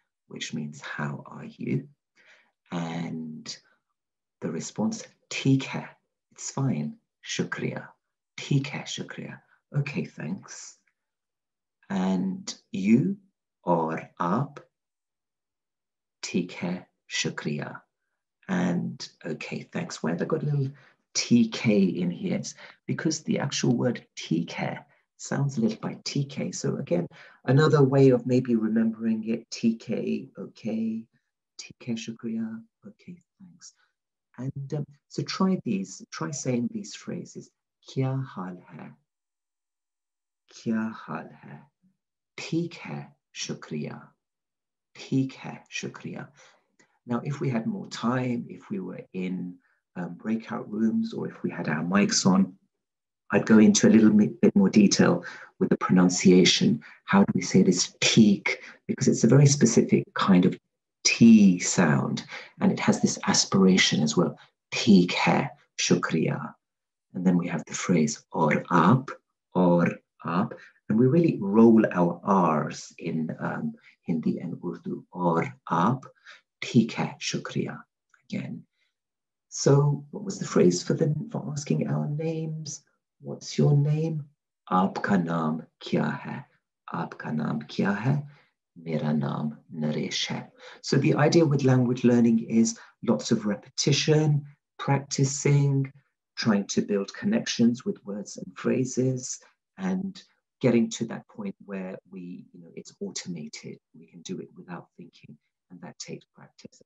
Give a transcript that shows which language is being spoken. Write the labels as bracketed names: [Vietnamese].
[English] Which means how are you? And the response, [Hindi] ठीक है. [English] It's fine. [Hindi] शुक्रिया. ठीक है, शुक्रिया. [English] Okay, thanks. And you or आप? [Hindi] ठीक है, शुक्रिया. [English] And okay, thanks. Why have I got a little TK in here? It's because the actual word [Hindi] theek hai [English] sounds a little by TK. So again, another way of maybe remembering it, TK, okay. [Hindi] ठीक है, शुक्रिया. [English] Okay, thanks. And so try these, try saying these phrases. [Hindi] क्या हाल है? क्या हाल है? ठीक है, शुक्रिया. ठीक है, शुक्रिया. [English] Now, if we had more time, if we were in breakout rooms or if we had our mics on, I'd go into a little bit more detail with the pronunciation. How do we say this teak? Because it's a very specific kind of T sound and it has this aspiration as well. [Hindi] ठीक है, शुक्रिया. [English] And then we have the phrase [Hindi] और आप, [English] and we really roll our R's in Hindi and Urdu, [Hindi] और आप, ठीक है, शुक्रिया, [English] again. So what was the phrase for asking our names? What's your name? [Hindi] आपका नाम क्या है? आपका नाम क्या है? मेरा नाम नरेश है. [English] So the idea with language learning is lots of repetition, practicing, trying to build connections with words and phrases, and getting to that point where we, you know, it's automated, we can do it without thinking, and that takes practice.